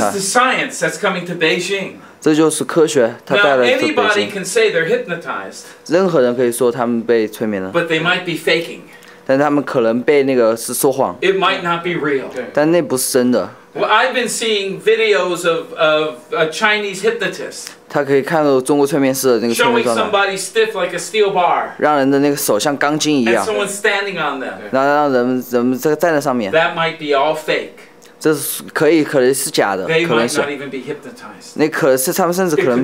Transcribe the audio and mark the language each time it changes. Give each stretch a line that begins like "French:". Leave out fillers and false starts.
English: So this is the science that's coming to Beijing
Chinese: 这就是科学它带来的北京
English: Now anybody can say they're hypnotized
Chinese: 任何人可以说他们被催眠了
English: But they might be faking
Chinese: 但他们可能被那个是说谎
English: It might not be real
Chinese: 但那不是真的
English: Well, I've been seeing videos of a Chinese hypnotist
Chinese: 他可以看到中国催眠师的那个催眠状态
English: Showing somebody stiff like a steel bar
Chinese: 让人的那个手像钢筋一样
English: And someone standing on them
Chinese: 然后让人这个站在上面
English: That might be all fake
Chinese: 这是可能是假的
English: They might not even be hypnotized
Chinese: 那可能是他们甚至可能